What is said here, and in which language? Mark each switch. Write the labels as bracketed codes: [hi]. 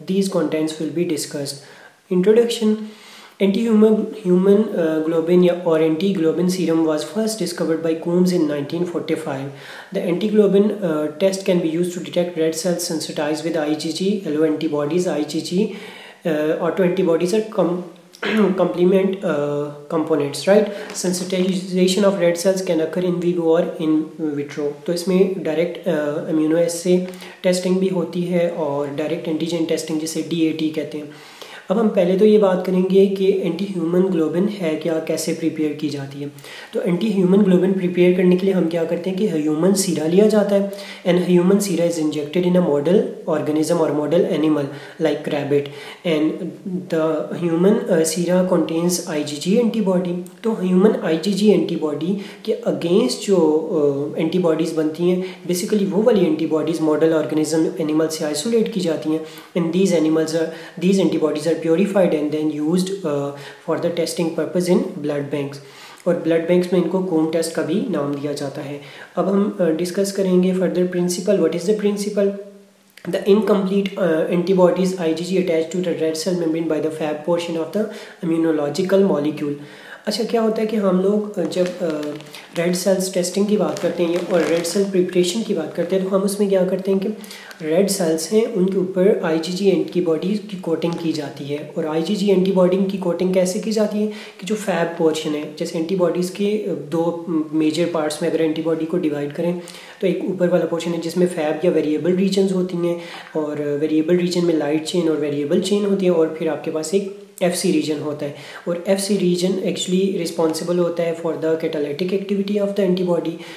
[en] These contents will be discussed. Introduction. Anti-human globin or anti-globin serum was first discovered by Coombs in 1945. The anti-globin test can be used to detect red cells sensitized with IgG, yellow antibodies, IgG, autoantibodies are complement components, right? Sensitization of red cells can occur in vivo or in vitro. [hi] तो इसमें direct immunoassay testing भी होती है और direct antigen testing जिसे DAT कहते हैं. अब हम पहले तो ये बात करेंगे कि एंटी ह्यूमन ग्लोबिन है क्या, कैसे प्रिपेयर की जाती है. तो एंटी ह्यूमन ग्लोबिन प्रिपेयर करने के लिए हम क्या करते हैं कि ह्यूमन सीरा लिया जाता है [en] And human sera is injected in a model organism और model animal like rabbit and the human sera contains IgG antibody. [hi] तो ह्यूमन आईजीजी एंटीबॉडी के अगेंस्ट जो एंटीबॉडीज बनती हैं बेसिकली वो वाली एंटीबॉडीज मॉडल ऑर्गेनिज्म एनिमल से आइसोलेट की जाती हैं [en] And these animals these antibodies are purified and then used for the testing purpose in blood banks. [hi] और blood banks में इनको comb test का भी नाम दिया जाता है. अब हम discuss करेंगे further principle. [en] What is the principle? The incomplete antibodies IgG attached to the red cell membrane by the Fab portion of the immunological molecule. [hi] अच्छा क्या होता है कि हम लोग जब red cells testing की बात करते हैं और red cell preparation की बात करते हैं तो हम उसमें क्या करते हैं कि रेड सेल्स हैं उनके ऊपर आईजीजी एंटीबॉडी की कोटिंग की जाती है. और आईजीजी एंटीबॉडी की कोटिंग कैसे की जाती है कि जो फैब पोर्शन है, जैसे एंटीबॉडीज़ के दो मेजर पार्ट्स में अगर एंटीबॉडी को डिवाइड करें तो एक ऊपर वाला पोर्शन है जिसमें फैब या वेरिएबल रीजन्स होती हैं और वेरिएबल रीजन में लाइट चेन और वेरिएबल चेन होती है और फिर आपके पास एक एफसी रीजन होता है और एफसी रीजन [en] Actually responsible होता है for the catalytic activity of the antibody.